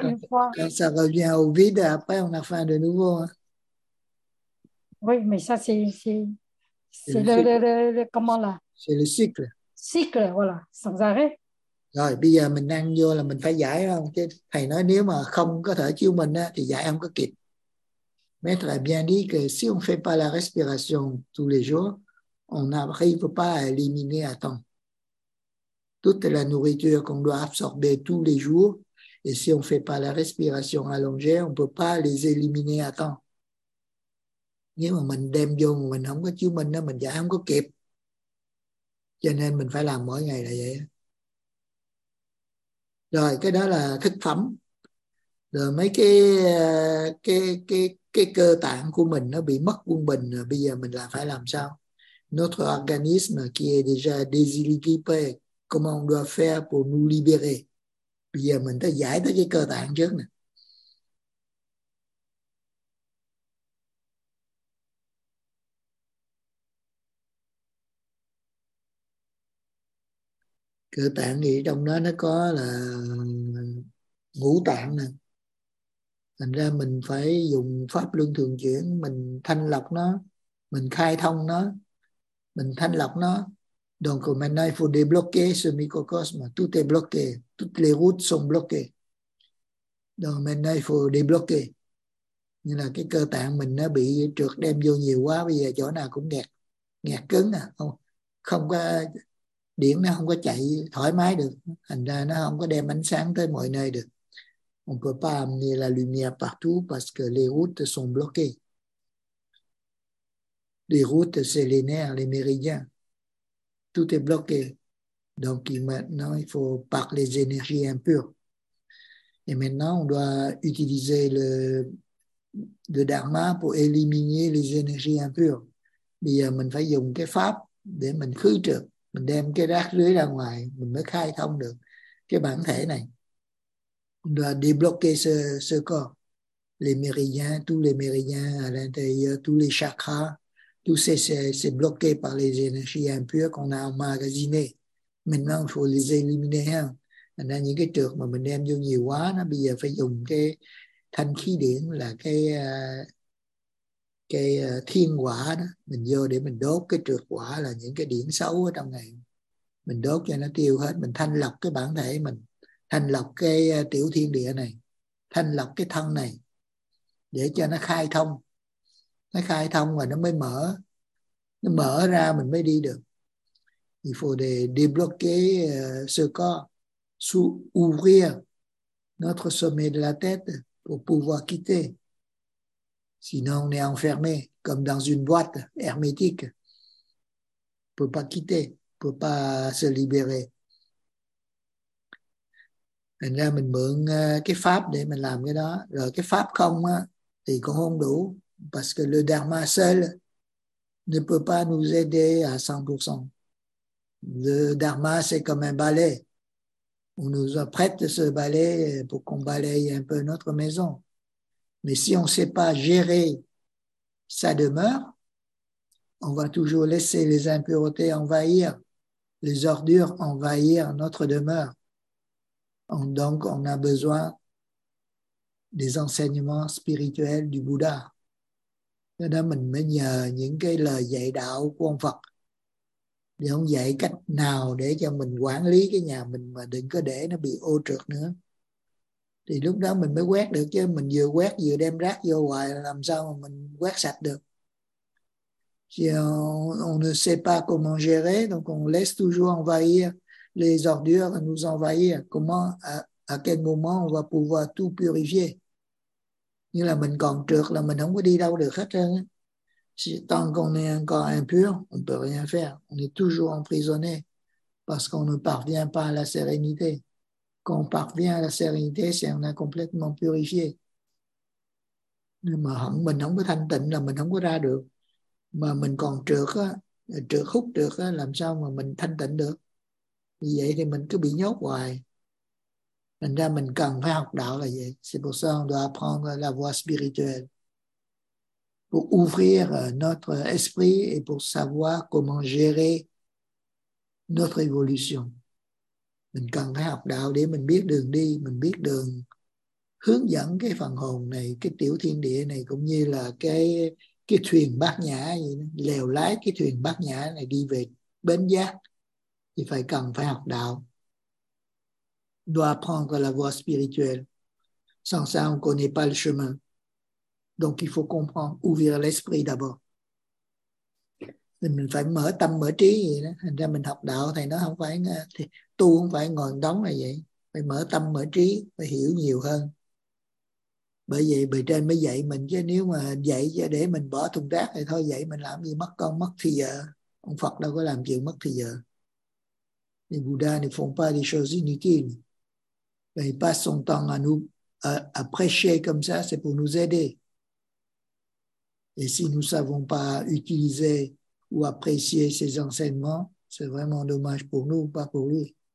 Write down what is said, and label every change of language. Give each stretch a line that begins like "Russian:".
French: quand ça revient au vide, après on a faim de nouveau. Hein. Oui, mais ça c'est le comment là? C'est le cycle. Cycle, voilà, sans arrêt.
Vietnamese: Rồi, bây giờ mình ăn vô là mình phải giải không? Chứ thầy nói nếu mà không có thở chiếu mình thì giải không có kịp.
French: Maître a bien dit que si on ne fait pas la respiration tous les jours, on n'arrive pas à éliminer à temps. Toute la nourriture qu'on doit absorber tous les jours, et si on ne fait pas la respiration allongée, on ne peut pas les éliminer à temps.
Vietnamese: Nếu mà mình đem vô, mình không có chiếu mình đó, mình giải không có kịp. Cho nên mình phải làm mỗi ngày là vậy. Rồi, cái đó là thực phẩm. Rồi mấy cái cơ tạng của mình nó bị mất quân bình, rồi bây giờ mình là phải làm sao?
French: notre organisme qui est déjà déséquilibré, comment on doit faire pour nous libérer.
Vietnamese: Bây giờ mình tới giải tới cái cơ tạng trước nè. Cơ tạng thì trong đó nó có là ngũ tạng nè. Thành ra mình phải dùng pháp luân thường chuyển, mình thanh lọc nó, mình khai thông nó, mình thanh lọc nó.
French: Donc maintenant, il faut débloquer ce microcosme. Tout est bloqué. Toutes les routes sont bloquées. Donc maintenant, il faut débloquer.
Vietnamese: Nhưng là cái cơ tạng mình nó bị trượt đem vô nhiều quá, bây giờ chỗ nào cũng nghẹt, nghẹt cứng à. Không có điểm, nó không có chạy thoải mái được. Thành ra nó không có đem ánh sáng tới mọi nơi được.
French: On ne peut pas amener la lumière partout parce que les routes sont bloquées. Les routes, c'est les nerfs, les méridiens. Tout est bloqué. Donc maintenant, il faut parler les énergies impures. Et maintenant, on doit utiliser le dharma pour éliminer les énergies impures.
Vietnamese: Bây giờ mình phải dùng cái pháp để mình khử trừ, mình đem cái rác rưới ra ngoài, mình mới khai thông được cái bản thể này.
French: On doit débloquer ce corps. Les méridiens, tous les méridiens à l'intérieur, tous les chakras. Tout ça, c'est bloqué par les énergies impures qu'on a emmagasinées. Maintenant, il faut les éliminer. Hein? Il y a
Vietnamese: những cái trược mà mình đem vô nhiều quá, nó bây giờ phải dùng cái thanh khí điển là cái thiên quả đó. Mình vô để mình đốt cái trược quả là những cái điển xấu ở trong này. Mình đốt cho nó tiêu hết. Mình thanh lọc cái bản thể mình. Thanh lọc cái tiểu thiên địa này. Thanh lọc cái thân này. Để cho nó khai thông. Nó khai thông và nó mới mở. Nó mở ra mình mới đi được.
French: Il faut débloquer ce corps, ouvrir notre sommet de la tête pour pouvoir quitter. Sinon, on est enfermé comme dans une boîte hermétique. On ne peut pas quitter, on ne peut pas se libérer.
Vietnamese: Thành ra mình mượn cái pháp để mình làm cái đó. Rồi cái pháp không thì cũng không đủ.
French: Parce que le dharma seul ne peut pas nous aider à 100%. Le dharma, c'est comme un balai. On nous prête ce balai pour qu'on balaye un peu notre maison. Mais si on ne sait pas gérer sa demeure, on va toujours laisser les impuretés envahir, les ordures envahir notre demeure. Donc, on a besoin des enseignements spirituels du Bouddha.
Vietnamese: Cho nên mình mới nhờ những cái lời dạy đạo của ông Phật để ông dạy cách nào để cho mình quản lý cái nhà mình mà đừng có để nó bị ô trượt nữa. Thì lúc đó mình mới quét được, chứ mình vừa quét vừa đem rác vô hoài làm sao mà mình quét sạch được.
French: On ne sait pas comment gérer, donc on laisse toujours envahir les ordures nous envahir. Comment, à quel moment on va pouvoir tout purifier?
Vietnamese: Như là mình còn trượt là mình không có đi đâu được hết trơn.
French: Tant qu'on est encore impur, on ne peut rien faire. On est toujours emprisonné parce qu'on ne parvient pas à la sérénité. Quand on parvient à la sérénité, c'est qu'on a complètement purifié.
Vietnamese: Nhưng mà không, mình không có thanh tịnh là mình không có ra được. Mà mình còn trượt, trượt hút được, làm sao mà mình thanh tịnh được. Vì vậy thì mình cứ bị nhốt hoài. Thành ra mình cần phải học đạo là vậy.
French: C'est pour ça qu'on doit apprendre la voie spirituelle. Pour ouvrir notre esprit et pour savoir comment gérer notre évolution.
Vietnamese: Mình cần phải học đạo để mình biết đường đi, mình biết đường hướng dẫn cái phần hồn này, cái tiểu thiên địa này, cũng như là cái thuyền bát nhã, lèo lái cái thuyền bát nhã này đi về bến giác. Thì phải cần phải học đạo.
French: Doit apprendre la voie spirituelle. Sans ça, on ne connaît pas le chemin. Donc, il faut comprendre, ouvrir l'esprit d'abord.
Vietnamese: Mình phải mở tâm, mở trí vậy đó. Thành ra mình học đạo, thầy nói không phải, tu không phải ngồi đóng là vậy. Phải mở tâm, mở trí, phải hiểu nhiều hơn. Bởi vậy, bề trên mới dạy mình, chứ nếu mà dạy cho để mình bỏ thùng rác thì thôi dạy mình làm gì, mất công, mất thì giờ. Ông Phật đâu có làm chuyện mất thì giờ.
French: Les Bouddha ne font pas des choses inutiles. Mais il passe son temps à nous à prêcher comme ça, c'est pour nous aider. Et si nous ne savons pas utiliser ou apprécier ses enseignements, c'est vraiment dommage pour nous, pas pour lui.